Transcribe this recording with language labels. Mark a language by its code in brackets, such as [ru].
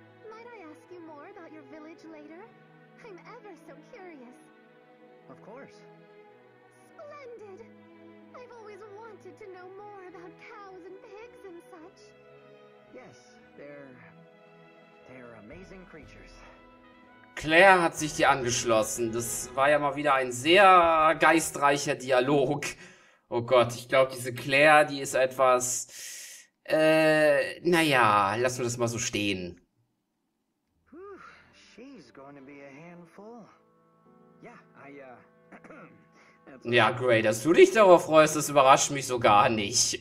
[en] Might I ask you more about your village later? I'm ever so curious. Of course. Splendid! I've always wanted to know more about cows and pigs and such. Yes, they're amazing creatures. [de] Claire hat sich dir angeschlossen. Das war ja mal wieder ein sehr geistreicher Dialog. Oh Gott, ich glaube, diese Claire, die ist etwas... naja, lassen wir das mal so stehen. [en] She's going to be a handful. Yeah, [de] Ja, Gray, dass du dich darauf freust, das überrascht mich so gar nicht.